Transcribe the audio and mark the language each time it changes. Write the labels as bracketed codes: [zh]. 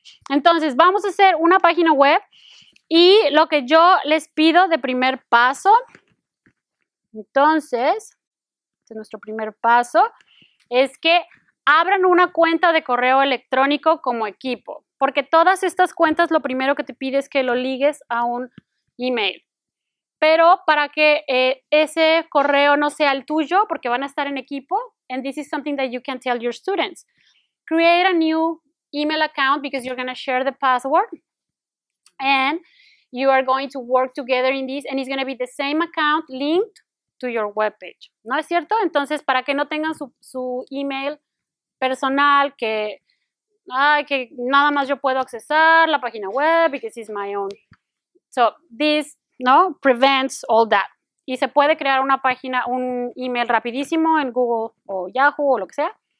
[es] Entonces, vamos a hacer una página web y lo que yo les pido de primer paso, entonces, este es nuestro primer paso, es que abran una cuenta de correo electrónico como equipo, porque todas estas cuentas lo primero que te pide es que lo ligues a un email. Pero para que ese correo no sea el tuyo, porque van a estar en equipo, [en] and this is something that you can tell your students, create a new email account because you're going to share the password and you are going to work together in this and it's going to be the same account linked to your webpage. [es] ¿No es cierto? Entonces, para que no tengan su email personal que, ay, que nada más yo puedo accesar la página web [en] because it's my own. So, this, [es] ¿no? [en] Prevents all that. [es] Y se puede crear una página, un email rapidísimo en Google o Yahoo o lo que sea.